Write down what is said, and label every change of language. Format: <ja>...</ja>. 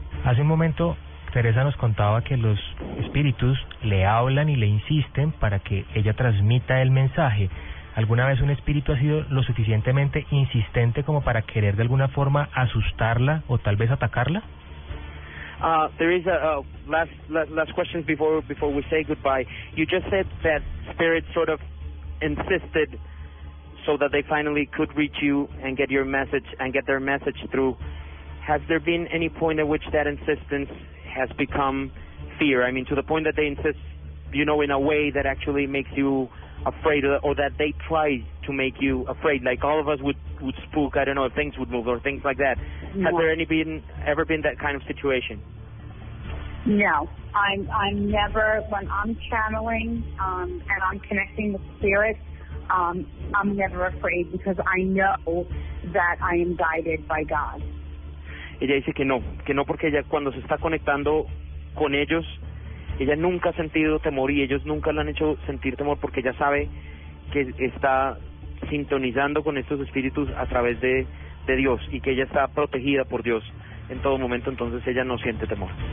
<es>Hace un momento Teresa nos contaba que los espíritus le hablan y le insisten para que ella transmita el mensaje. ¿Alguna vez un espíritu ha sido lo suficientemente insistente como para querer de alguna forma asustarla o tal vez atacarla?</es> <en>Teresa, last questions before we say goodbye. You just said that spirit sort of insisted so that they finally could reach you and get your message and get their message through. Has there been any point at which that insistence has become fear. I mean, to the point that they insist, you know, in a way that actually makes you afraid, or that they try to make you afraid. Like all of us would spook, I don't know, if things would move or things like that. No. Has there ever been that kind of situation? No. I'm never, when I'm channeling and I'm connecting with spirits, I'm never afraid, because I know that I am guided by God.</en> <es>Ella dice que no porque ella cuando se está conectando con ellos, ella nunca ha sentido temor, y ellos nunca la han hecho sentir temor, porque ella sabe que está sintonizando con estos espíritus a través de Dios, y que ella está protegida por Dios en todo momento, entonces ella no siente temor.</es>